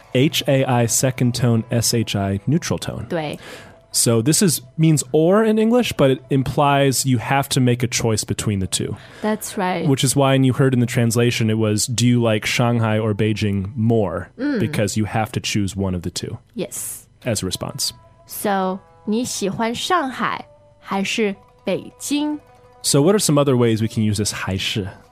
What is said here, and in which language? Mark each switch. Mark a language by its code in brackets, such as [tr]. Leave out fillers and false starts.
[en] H-A-I, second tone, S-H-I, neutral tone. [zh] 对. [en] So this is means or in English, but it implies you have to make a choice between the two. That's right. Which is why, and you heard in the translation, it was, do you like Shanghai or Beijing more? Because you have to choose one of the two. Yes. As a response. [zh] So, 你喜欢上海还是北京? [en] So what are some other ways we can use this 还是?